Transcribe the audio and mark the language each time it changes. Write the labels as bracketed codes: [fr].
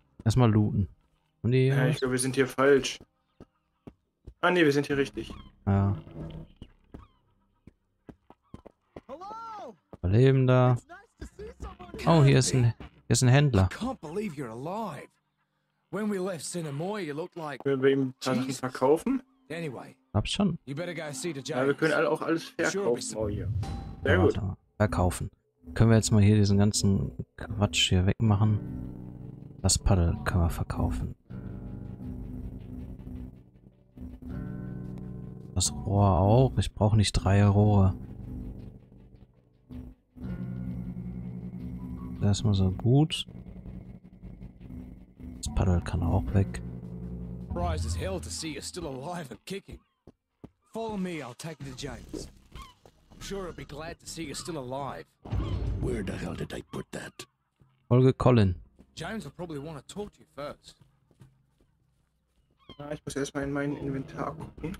[de] Erstmal looten. Und die, ja, ich glaube, wir sind hier falsch. Ah ne, wir sind hier richtig. Ja. Leben da. Oh, hier ist ein Händler. Ich kann nicht glauben, dass du lebst. [en] When we left Sinemoy, you looked like... [de] Können wir ihm Sachen verkaufen? [en] Anyway, [de] hab schon. [en] You better go see the Giants. [de] Ja, wir können auch alles verkaufen. [en] Sure, oh, yeah. [de] Sehr gut. Verkaufen. Können wir jetzt mal hier diesen ganzen Quatsch hier wegmachen? Das Paddel können wir verkaufen. Das Rohr auch. Ich brauche nicht drei Rohre. Erstmal so gut. Das Paddel kann auch weg. [en] Surprise as hell to see you still alive and kicking. Follow me, I'll take you to James. Sure, I'll be glad to see you still alive. Where the hell did I put that? [de] Folge Colin. [en] James will probably want to talk to you first. [de] Ja, ich muss erstmal in mein Inventar gucken.